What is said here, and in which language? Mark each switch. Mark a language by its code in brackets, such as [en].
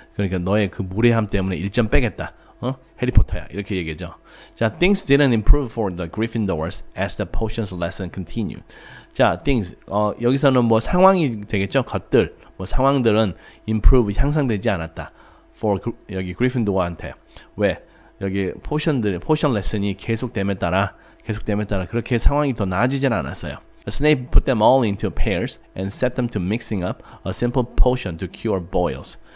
[ko] 그러니까 너의 그 무례함 때문에 1점 빼겠다. 어? 해리포터야. 이렇게 얘기하죠. [en] 자, things didn't improve for the Gryffindors as the potions lesson continued. 자, things. [ko] 여기서는 뭐 상황이 되겠죠. 것들. 뭐 상황들은 improve, 향상되지 않았다. For 여기 그리핀도어한테. 왜? 여기 포션들의 포션 레슨이 계속됨에 따라 그렇게 상황이 더 나아지진 않았어요. [en] Snape put them all into pairs and set them to mixing up a simple potion to cure boils.